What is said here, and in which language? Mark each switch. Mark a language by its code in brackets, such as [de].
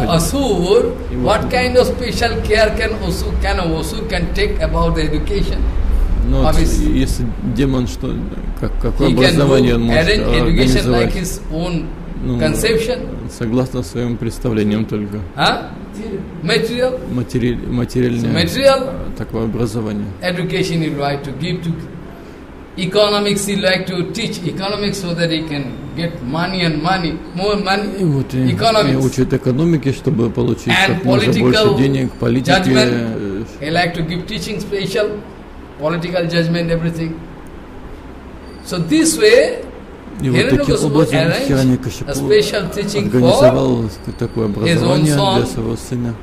[en] So one asur, what kind of special care can asur can take about the education? [ru] Ну, если демон что, какое образование он может организовать? [en] He can arrange education like his own conception. [ru] Согласно своим представлениям только. [en] А? Material? [ru] Материальное. [en] Material? [ru] Такое образование. [en] Education is right to give to. Economics, he like to teach economics so that he can get money and money, more money. [ru] Вот economics. И учит экономики, чтобы получить как можно больше денег, политики. [en] He like to give teaching special, political judgment, everything. So this way, [ru] и вот таким образом Хиранья Кашипу организовал такое образование для своего сына.